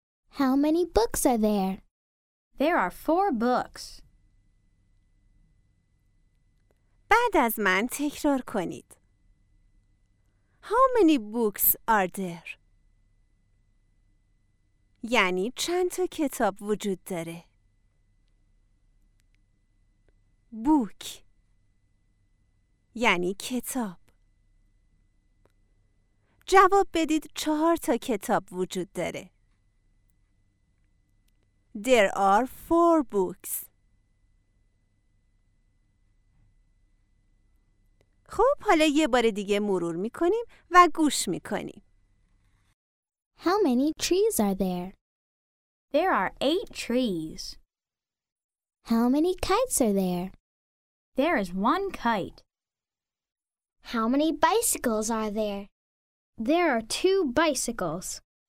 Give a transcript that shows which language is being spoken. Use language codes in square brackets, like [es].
[en] How many books are there? There are 4 books. [fa] بعد از من تکرار کنید. [en] How many books are there? [fa] یعنی چند تا کتاب وجود داره؟ Book یعنی کتاب. جواب بدید 4 تا کتاب وجود داره. [en] There are 4 books. [fa] خب حالا یه بار دیگه مرور می‌کنیم و گوش می‌کنیم. [en] How many trees are there? There are 8 trees. How many kites are there? There is one kite. How many bicycles are there? There are 2 bicycles.